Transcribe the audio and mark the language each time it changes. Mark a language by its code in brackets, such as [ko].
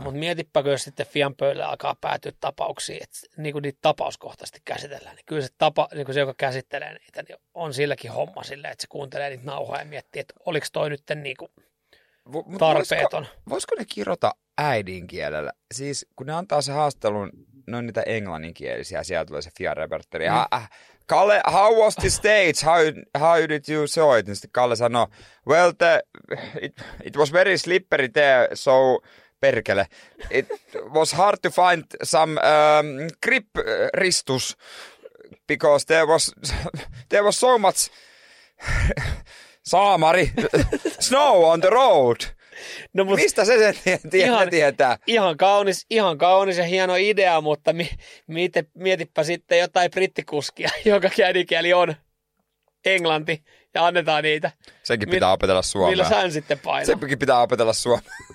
[fi] Mutta mietipä, kun jos sitten FIAn pöydällä alkaa päätyä tapauksiin, että niin kuin niitä tapauskohtaisesti käsitellään, niin kyllä se tapa, niin kuin se, joka käsittelee niitä, niin on silläkin homma silleen, että se kuuntelee niitä nauhoja ja miettii, että oliko toi nyt niin kuin tarpeeton. Voisiko ne kirota äidinkielellä? Siis kun ne antaa se haastattelun, ne on niitä englanninkielisiä, siellä tulee se FIAn repertori. [en] Kalle, how was the stage? How did you saw it? [fi] Sitten Kalle sanoi, [en] well, it was very slippery there, so perkele. It was hard to find some grip ristus, because there was so much saamari, snow on the road. [fi] No, mistä se tietää? Ihan kaunis ja hieno idea, mutta mietipä sitten jotain brittikuskia, jonka äidinkieli on englanti, ja annetaan niitä. Senkin pitää opetella suomea. Millä sään sitten painaa? Senkin pitää opetella suomea.